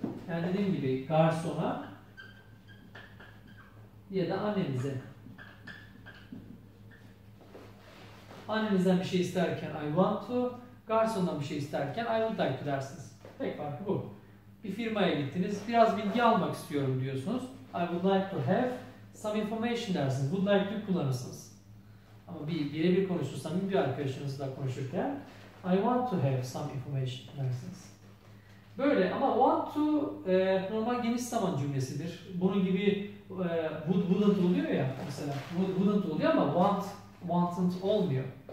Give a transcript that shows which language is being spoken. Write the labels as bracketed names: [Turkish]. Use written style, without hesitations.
[Turkish] Yani dediğim gibi garsona ya da annenize. Annenizden bir şey isterken [English] I want to, [Turkish] garsondan bir şey isterken [English] I would like to [Turkish] dersiniz. Tek farkı bu. Bir firmaya gittiniz, biraz bilgi almak istiyorum diyorsunuz. [English] I would like to have some information dersiniz. [Turkish] Would like to kullanırsınız. Ama birebir konuşursam, bir arkadaşınızla konuşurken [English] I want to have some information [Turkish] dersiniz. Böyle ama want to normal geniş zaman cümlesidir. Bunun gibi wouldn't oluyor ya mesela. Wouldn't oluyor ama wantn't olmuyor.